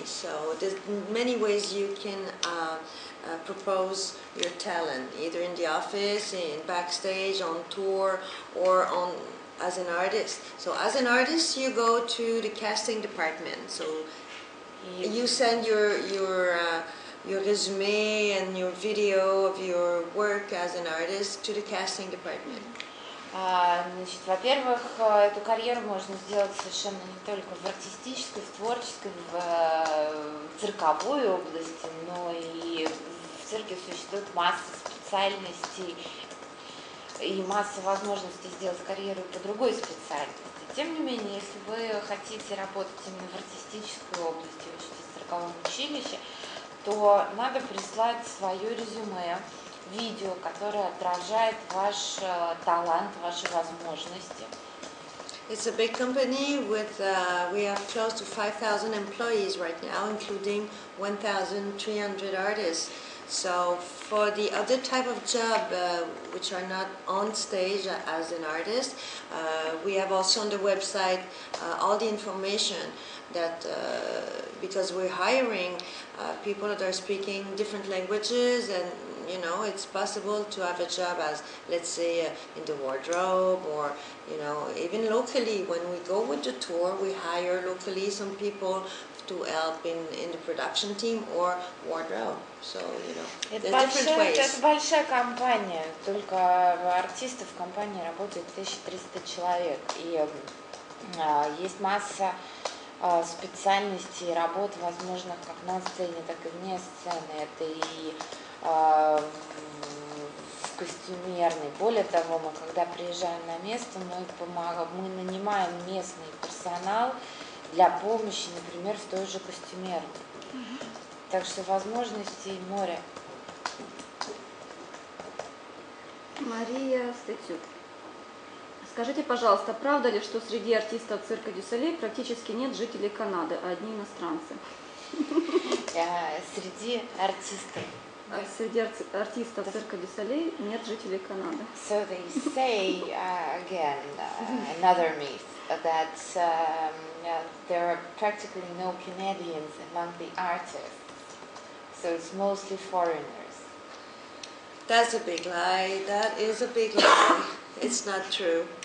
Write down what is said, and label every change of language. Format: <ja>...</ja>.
<en>So there's many ways you can propose your talent, either in the office, in backstage, on tour, or on as an artist. So as an artist, you go to the casting department. So you send your resume and your video of your work as an artist to the casting department.</en> <ru>Значит, во-первых, эту карьеру можно сделать совершенно не только в артистической, в творческой, в цирковой области, но и в цирке существует масса специальностей и масса возможностей сделать карьеру по другой специальности. Тем не менее, если вы хотите работать именно в артистической области, учиться в цирковом училище, то надо прислать свое резюме. Видео, которое отражает ваш талант, ваши возможности.</ru> <en>It's a big company with we have close to 5,000 employees right now, including 1,300 artists. So for the other type of job, which are not on stage as an artist, we have also on the website all the information that because we're hiring people that are speaking different languages and. You know, it's possible to have a job as, let's say, in the wardrobe or, you know, even locally. When we go with the tour, we hire locally some people to help in the production team or wardrobe. So, you know,</en> <ru>Большая компания, только артистов в компании работает 1300 человек. И есть масса специальностей, работ, возможных как на сцене, так и вне сцены. Это и в костюмерной. Более того, мы когда приезжаем на место, мы нанимаем местный персонал для помощи, например, в той же костюмерной. Так что возможностей море. Мария Стетюк. Скажите, пожалуйста, правда ли, что среди артистов цирка Дю Солей практически нет жителей Канады, а одни иностранцы? Среди артистов. Среди артистов цирка Дю Солей нет жителей Канады.</ru> <en>So they say again another myth that there are practically no Canadians among the artists. So it's mostly foreigners. That's a big lie. That is a big lie. It's not true.</en>